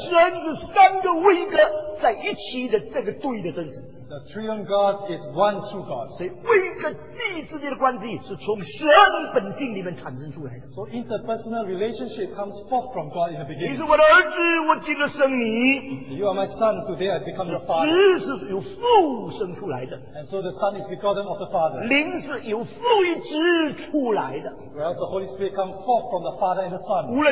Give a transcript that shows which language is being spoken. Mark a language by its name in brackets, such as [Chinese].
[Chinese] 神是三个位格在一起的这个对的真实。 [English] The Triune God is one true God. [Chinese] 所以位格记之间的关系是从神本性里面产生出来的。 [English] So interpersonal relationship comes forth from God in the beginning. [Chinese] 你是我的儿子，我今日生你。 [English] You are my son. Today I become your father. [Chinese] 子是由父生出来的。 [English] And so the Son is begotten of the Father. [Chinese] 灵是由父一直出来的。 [English] Whereas the Holy Spirit comes forth from the Father and the Son.